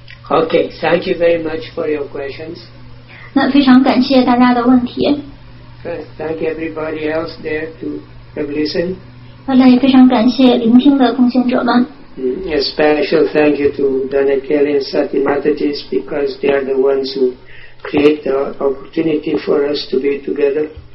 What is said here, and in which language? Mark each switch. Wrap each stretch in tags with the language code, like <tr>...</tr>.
<en>Okay, thank you very much for your questions.</en> <zh>那非常感谢大家的问题。</zh> <en>Thank everybody else there to have listened.</en> <zh>那也非常感谢聆听的奉献者们。</zh> <en>A special thank you to Dana Kelly and Sati Mataji because they are the ones who create the opportunity for us to be together.</en>